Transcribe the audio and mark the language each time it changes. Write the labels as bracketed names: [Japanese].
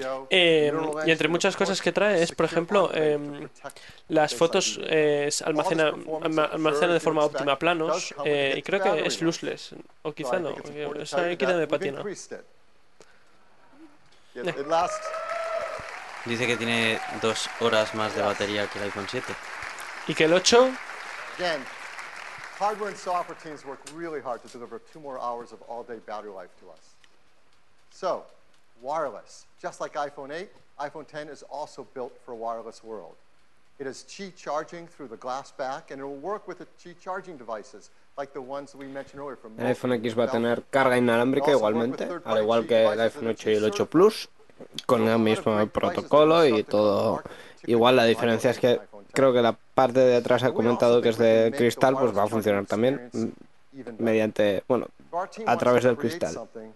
[Spanish] Y entre muchas cosas que trae es, por ejemplo, las fotos almacena de forma óptima planos, y creo que es lossless, o quizá no, o sea, quita de patina. Dice que tiene 2 horas más de batería que el iPhone 7. ¿Y que el 8? [English] Hardware and software teams work really hard to deliver 2 more hours of all-day battery life to us. So, wireless. Just like iPhone 8, iPhone 10 is also built for a wireless world. It has Qi charging through the glass back, and it will work with the Qi charging devices, like the ones we mentioned earlier from... [Spanish] El iPhone X va a tener carga inalámbrica igualmente, al igual que el iPhone 8 y el 8 Plus, con el mismo protocolo y todo igual. La diferencia es que creo que la parte de atrás ha comentado que es de cristal, pues va a funcionar también mediante, bueno, a través del cristal.